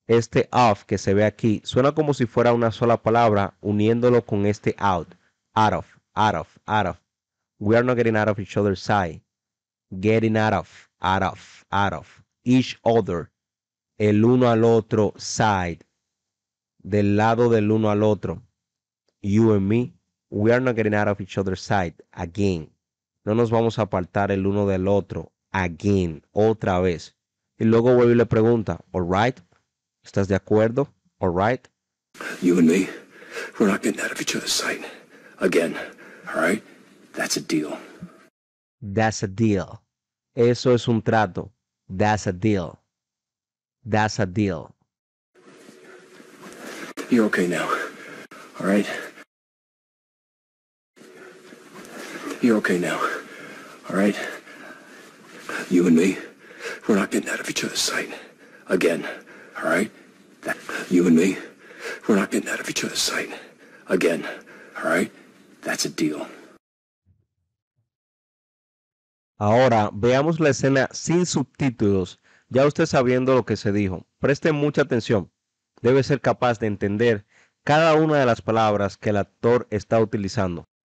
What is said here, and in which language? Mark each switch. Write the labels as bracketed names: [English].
[Spanish] Este of que se ve aquí, suena como si fuera una sola palabra uniéndolo con este out. [English] Out of. We are not getting out of each other's sight. Getting out of. Each other. [Spanish] El uno al otro side. Del lado del uno al otro. [English] You and me, we are not getting out of each other's sight again. [Spanish] No nos vamos a apartar el uno del otro again, otra vez. Y luego vuelve y le pregunta, [English] all right? [Spanish] ¿Estás de acuerdo? [English] All right? You and me, we're not getting out of each other's sight again. All right? That's a deal. That's a deal. [Spanish] Eso es un trato. [English] That's a deal. That's a deal. You're okay now. All right? You're okay now, all right? You and me, we're not getting out of each other's sight again, all right? You and me, we're not getting out of each other's sight again, all right? That's a deal. [Spanish] Ahora, veamos la escena sin subtítulos, ya usted sabiendo lo que se dijo. Preste mucha atención. Debe ser capaz de entender cada una de las palabras que el actor está utilizando.